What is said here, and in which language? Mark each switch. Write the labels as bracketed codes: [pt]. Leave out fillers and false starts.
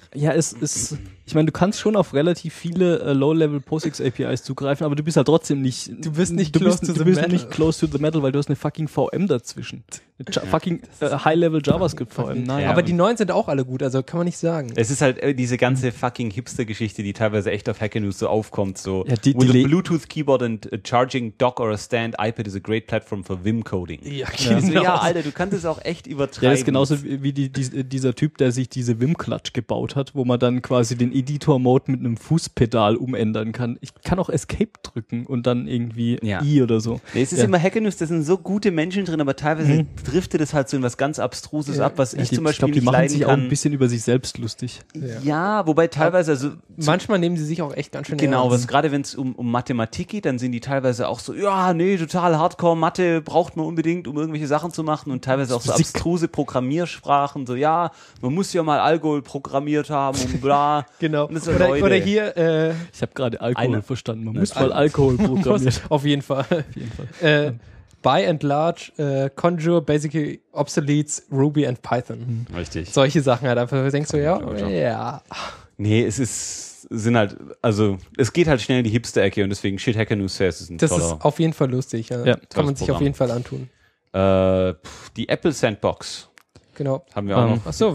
[de] Ja, es ist, ich meine, du kannst schon auf relativ viele Low-Level POSIX APIs zugreifen, aber du bist halt trotzdem nicht, du bist nicht [en] close to the metal. [de] Du bist nicht [en] close to the metal, [de] weil du hast eine fucking VM dazwischen. Fucking High-Level JavaScript VM. Nein. Ja, aber die neuen sind auch alle gut, also kann man nicht sagen. Es ist halt diese ganze fucking Hipster-Geschichte, die teilweise echt auf Hacker News so aufkommt, so ja, [en] with a Bluetooth keyboard and a charging dock or a stand, iPad is a great platform for Vim-Coding. [de] Ja, genau. Ja, Alter, du kannst es auch echt übertreiben. Ja, ist genauso wie dieser Typ, der sich diese Vim-Klatsch gebaut hat, wo man dann quasi den Editor-Mode mit einem Fußpedal umändern kann. Ich kann auch Escape drücken und dann irgendwie I oder so. Nee, es ist immer Hacker News, da sind so gute Menschen drin, aber teilweise driftet es halt so in was ganz Abstruses ab, was ich zum Beispiel nicht leiden kann. Ich glaube, die machen sich auch ein bisschen über sich selbst lustig. Ja, wobei teilweise also manchmal nehmen sie sich auch echt ganz schön genau, ernst. Genau, gerade wenn es um Mathematik geht, dann sind die teilweise auch so, ja, nee, total hardcore, Mathe braucht man unbedingt, um irgendwelche Sachen zu machen und teilweise auch so abstruse Programmiersprachen, so, ja, man muss ja mal Alkohol programmiert haben und bla. Genau. Und so, oder hier, ich habe gerade Alkohol verstanden, man muss mal Alkohol programmieren. Auf jeden Fall. [en] By and large, Conjure basically obsoletes Ruby and Python. [de] Richtig. Solche Sachen halt einfach. Denkst du, ja? Ja. Nee, es ist, sind halt, also, es geht halt schnell in die Hipster-Ecke und deswegen Shit Hacker News Fest ist ein Das ist auf jeden Fall lustig. Ja. Ja. Kann man sich auf jeden Fall antun. Die Apple Sandbox. Genau. Haben wir auch noch. Achso,